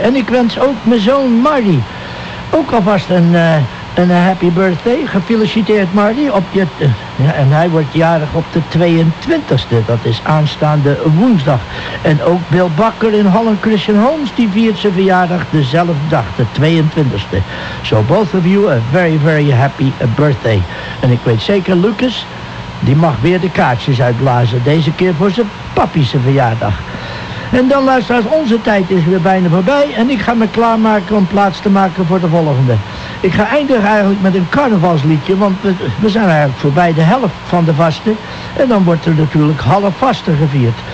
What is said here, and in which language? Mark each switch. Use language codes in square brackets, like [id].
[nl] En ik wens ook mijn zoon Marty ook alvast een happy birthday. Gefeliciteerd Marty. En hij wordt jarig op de 22e. Dat is aanstaande woensdag. En ook Bill Bakker in Holland Christian Homes, die viert zijn verjaardag dezelfde dag, de 22e. [en] So both of you, a very, very happy birthday. [nl] En ik weet zeker, Lucas, die mag weer de kaartjes uitblazen. Deze keer voor zijn papi's verjaardag. En dan luisteraars, onze tijd is weer bijna voorbij. En ik ga me klaarmaken om plaats te maken voor de volgende. Ik ga eindigen eigenlijk met een carnavalsliedje. Want we zijn eigenlijk voorbij de helft van de vaste. En dan wordt er natuurlijk half vaste gevierd.